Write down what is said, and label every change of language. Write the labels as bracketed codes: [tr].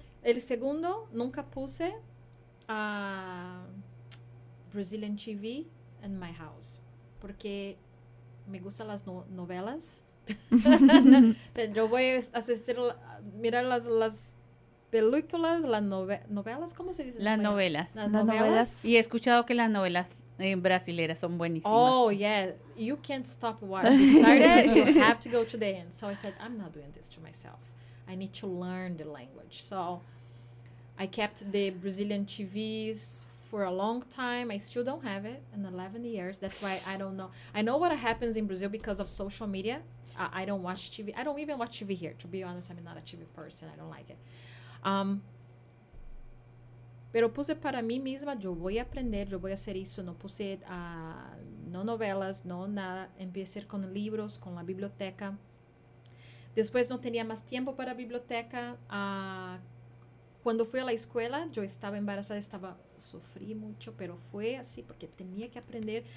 [es] El segundo, nunca puse a [en] Brazilian TV in my house, [es] porque me gustan las novelas. O sea, yo voy a asistir a mirar las películas, las novelas, ¿cómo se dice? Las novelas. Las novelas. Y he escuchado que las novelas brasileras son buenísimas. [en] Oh, yeah. You can't stop watching. You started, you have to go to the end. So I said, I'm not doing this to myself. I need to learn the language. So I kept the Brazilian TVs for a long time. I still don't have it in 11 years. That's why I don't know. I know what happens in Brazil because of social media. I don't watch TV. I don't even watch TV here. To be honest, I'm not a TV person. I don't like it. [es] Pero puse para mí misma, yo voy a aprender, yo voy a hacer eso. No puse no novelas, no nada. Empecé con libros, con la biblioteca. Después no tenía más tiempo para biblioteca. Cuando fui a la escuela, yo estaba embarazada, sufrí mucho, pero fue así porque tenía que aprender.